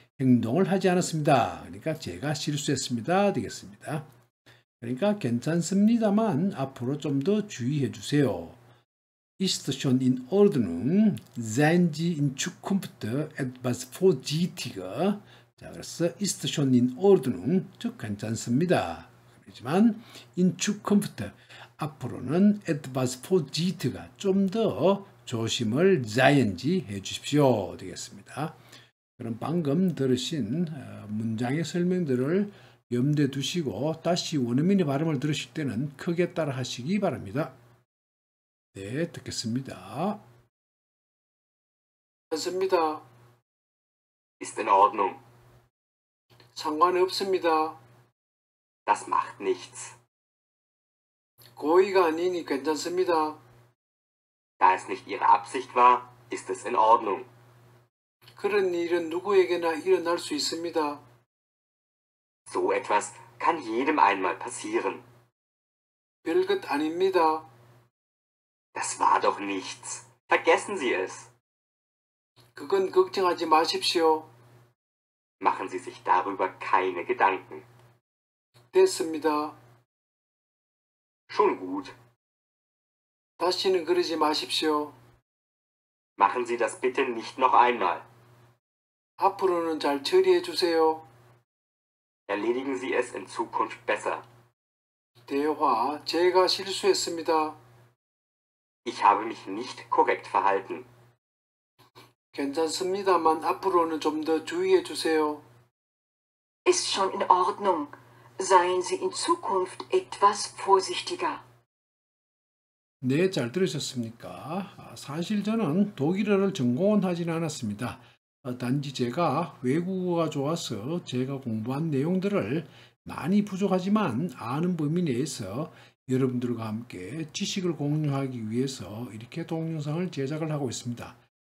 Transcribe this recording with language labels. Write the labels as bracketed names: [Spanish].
[Korean] 행동을 하지 않았습니다. 그러니까 제가 실수했습니다. 되겠습니다. 그러니까 괜찮습니다만 앞으로 좀 더 주의해 주세요. [German] Ist schon in Ordnung, seien Sie in Zukunft etwas vorsichtiger. [Korean] 자, 그래서 [German] ist schon in Ordnung, [Korean] 즉 괜찮습니다. 하지만 in Zukunft, 앞으로는 [German] etwas vorsichtiger [Korean] 가 좀 더 조심을 자연지 해주십시오. 되겠습니다. 그럼 방금 들으신 문장의 설명들을 염두에 두시고 다시 원어민의 발음을 들으실 때는 크게 따라 하시기 바랍니다. 네, 듣겠습니다. 괜찮습니다. [German] Ist in Ordnung. [Korean] 상관없습니다. [German] Das macht nichts. [Korean] 고의가 아니니 괜찮습니다. [German] Da es nicht Ihre Absicht war, ist es in Ordnung. [Korean] 그런 일은 누구에게나 일어날 수 있습니다. [German] So etwas kann jedem einmal passieren. [Korean] 별것 아닙니다. [German] Das war doch nichts. Vergessen Sie es. [Korean] 그건 걱정하지 마십시오. [German] Machen Sie sich darüber keine Gedanken. [Korean] 됐습니다. [German] Schon gut. [Korean] 다시는 그러지 마십시오. [German] Machen Sie das bitte nicht noch einmal. [Korean] 앞으로는 잘 처리해 주세요. [German] Erledigen Sie es in Zukunft besser. [Korean] 대화, 제가 실수했습니다. [German] Ich habe mich nicht korrekt verhalten. [Korean] 괜찮습니다만 앞으로는 좀 더 주의해 주세요. [German] Ist schon in Ordnung. Seien Sie in Zukunft etwas vorsichtiger. [Korean] 네, 잘 들으셨습니까? 사실 저는 독일어를 전공은 하진 않았습니다. 단지 제가 외국어가 좋아서 제가 공부한 내용들을 많이 부족하지만 아는 범위 내에서 여러분들과 함께 지식을 공유하기 위해서 이렇게 동영상을 제작을 하고 있습니다.